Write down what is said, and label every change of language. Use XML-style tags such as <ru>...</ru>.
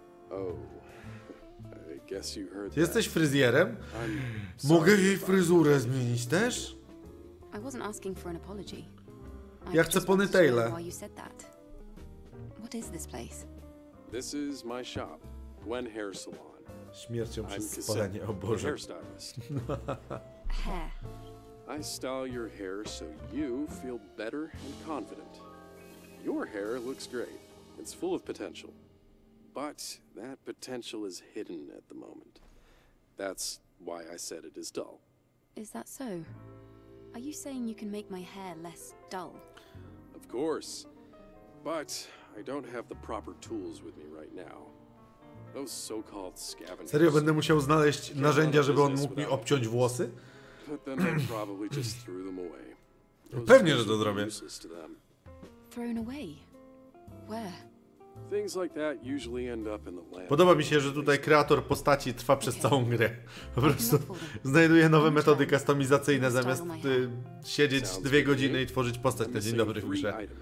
<en>Oh, I guess you heard that.</en> <pl>Jesteś fryzjerem? Mogę jej fryzurę zmienić też?</pl> <en>I wasn't asking for an apology.</en> <pl>Ja chcę ponytailę.</pl> <en>Why you said that? What is this place? This is my shop, Gwen Hair Salon.</en> <pl>Śmiercią przez spalenie, o Boże.</pl> <en>Hair stylist. Hair. I style your hair so you feel better and confident. Your hair looks great. It's full of potential, but that potential is hidden at the moment. That's why I said it is dull. Is that so? Are you saying you can make my hair less dull? Of course, but I don't have the proper tools with me right now. Those so-called scavengers...</en> <pl>Serio, będę musiał znaleźć narzędzia, żeby on mógł mi obciąć włosy?</pl> <en>But then they probably just threw them away.</en> <pl>Pewnie, że to zrobię.</pl> <en>Thrown away? Things like that usually end up in the land.</en> <pl>Podoba mi się, że tutaj kreator postaci trwa przez całą grę. Po prostu znajduje nowe metody kustomizacyjne zamiast siedzieć 2 godziny i tworzyć postać na dzień dobry w grze.</pl>